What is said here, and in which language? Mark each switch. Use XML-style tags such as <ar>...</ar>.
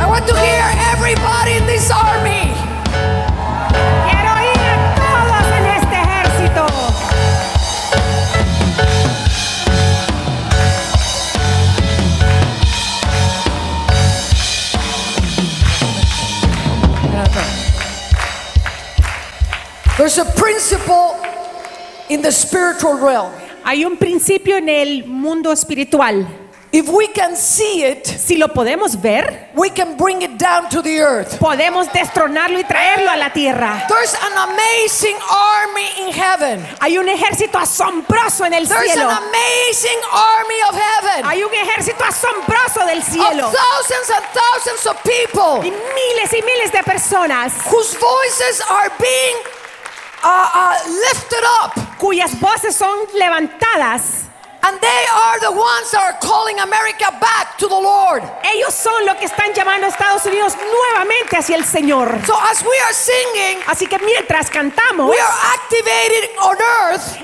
<en>I want to hear everybody in this army.</en> <es>Quiero oír a todos en este ejército.</es> <en>There's a principle in the spiritual realm.</en> <es>Hay un principio en el mundo espiritual.</es> <en>If we can see it,</en> <es>si lo podemos ver,</es> <en>we can bring it down to the earth.</en> <es>Podemos destronarlo y traerlo a la tierra.</es> <en>There's an amazing army in heaven.</en> <es>Hay un ejército asombroso en el</es> <en>There's</en> <es>cielo.</es> <en>There's an amazing army of heaven.</en> <es>Hay un ejército asombroso del cielo.</es> <en>Of thousands and thousands of people.</en> <es>Y miles de personas.</es> <en>Whose voices are being lifted up,</en> <es>cuyas voces son levantadas,</es> <en>and they are the ones that are calling America back to the Lord.</en> <es>Ellos son los que están llamando a Estados Unidos nuevamente hacia el Señor.</es> <en>So as we are singing,</en> <es>así que mientras cantamos,</es> <en>we are activating on earth,</en>